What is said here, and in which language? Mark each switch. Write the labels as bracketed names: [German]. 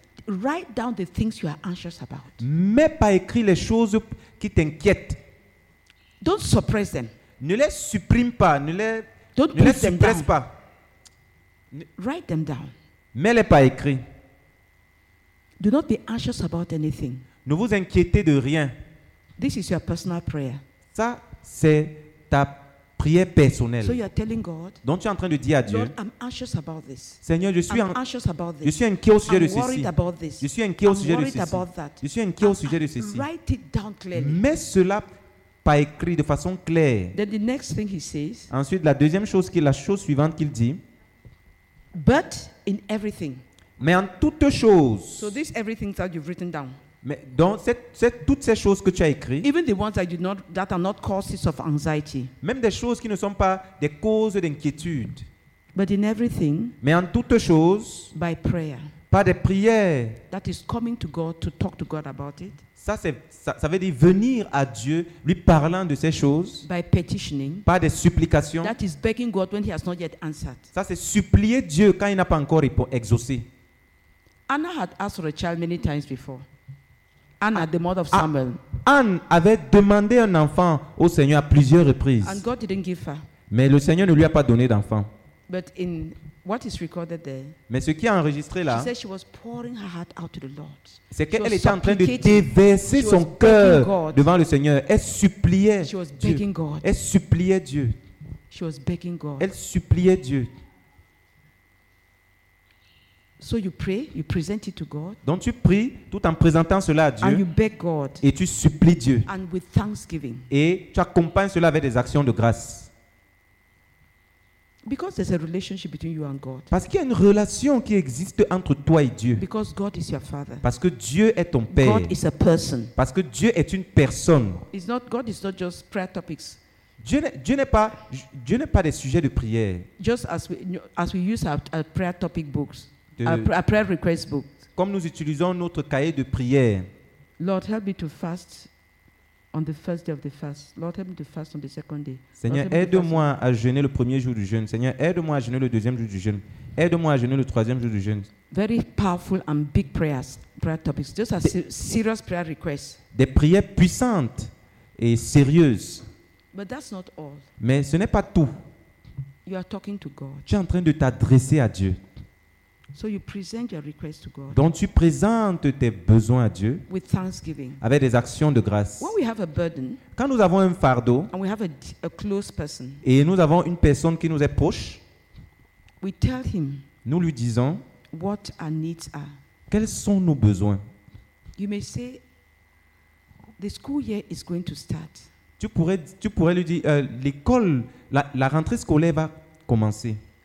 [English] Write down the things you are anxious about. [French] Mets par écrit les choses qui t'inquiètent. [English] Don't suppress them. [French] Ne les supprime pas. Ne les suppresse pas. [English] Write them down. [French] Mets-les par écrit. [English] Do not be anxious about anything. [French] Ne vous inquiétez de rien. [English] This is your personal prayer. [French] Ça, c'est ta prière personnelle. [English] So you are telling God, [French] donc tu es en train de dire à Dieu, [English] Lord, I'm anxious about this. [French] Seigneur, je suis inquiet au sujet [English] I'm [French] de ceci. [English] Worried about this. [French] Je suis inquiet [English] I'm [French] au sujet [English] worried [French] de ceci. [English] About that. [French] Je suis inquiet [English] I'm, [French] au sujet [English] I'm [French] de ceci. [English] Write it down clearly. [French] Mets cela par écrit de façon claire. [English] Then the next thing he says, [French] ensuite, la deuxième chose, la chose suivante qu'il dit, [English] but in everything. [French] Mais en toutes choses. [English] So this everything that you've written down. [French] Mais donc c'est toutes ces choses que tu as écrites. [English] Even the ones that, that are not causes of anxiety. [French] Même des choses qui ne sont pas des causes d'inquiétude. [English] But in everything. [French] Mais en toutes choses. [English] By prayer. [French] Par des prières. [English] That is coming to God to talk to God about it. [French] Ça veut dire venir à Dieu lui parlant de ces choses. [English] By petitioning. [French] Par des supplications. [English] That is begging God when he has not yet answered. [French] Ça c'est supplier Dieu quand il n'a pas encore exaucé. [English] Anna had asked for a child many times before. Anna, the mother of Samuel. [French] Anne avait demandé un enfant au Seigneur à plusieurs reprises. [English] And God didn't give her. [French] Mais le Seigneur ne lui a pas donné d'enfant. [English] But in what is recorded there, [French] mais ce qui est enregistré là, [English] she said she was pouring her heart out to the Lord. [French] C'est qu'elle était en train de déverser son cœur devant le Seigneur. Elle suppliait [English] she was begging God. [French] Elle suppliait Dieu. [English] She was begging God. [French] Elle suppliait Dieu. [English] So you pray, you present it to God. [French] Donc tu pries tout en présentant cela à Dieu. [English] And you beg God. [French] Et tu supplies Dieu. [English] And with thanksgiving. [French] Et tu accompagnes cela avec des actions de grâce. [English] Because there's a relationship between you and God. [French] Parce qu'il y a une relation qui existe entre toi et Dieu. [English] Because God is your father. [French] Parce que Dieu est ton père. [English] God is a person. [French] Parce que Dieu est une personne. [English] It's not God is not just prayer topics. [French] Dieu n'est pas des sujets de prière. [English] Just as we use our prayer topic books. A prayer request book. [French] Comme nous utilisons notre cahier de prière. [English] Lord, help me to fast on the first day of the fast. Lord, help me to fast on the second day. [French] Seigneur, aide-moi à jeûner le premier jour du jeûne. Seigneur, aide-moi à jeûner le deuxième jour du jeûne. Aide-moi à jeûner le troisième jour du jeûne. [English] Very powerful and big prayers, prayer topics. Those are serious prayer requests. [French] Des prières puissantes et sérieuses. [English] But that's not all. [French] Mais ce n'est pas tout. [English] You are talking to God. [French] Tu es en train de t'adresser à Dieu. [English] So you present your request to God. [French] Donc tu présentes tes besoins à Dieu. [English] With thanksgiving. [French] Avec des actions de grâce. [English] When we have a burden. [French] Quand nous avons un fardeau. [English] And we have a close person. [French] Et nous avons une personne qui nous est proche. [English] We tell him. [French] Nous lui disons. [English] What our needs are. [French] Quels sont nos besoins? [English] You may say, the school year is going to start. [French] Tu pourrais lui dire l'école, la rentrée scolaire va commencer.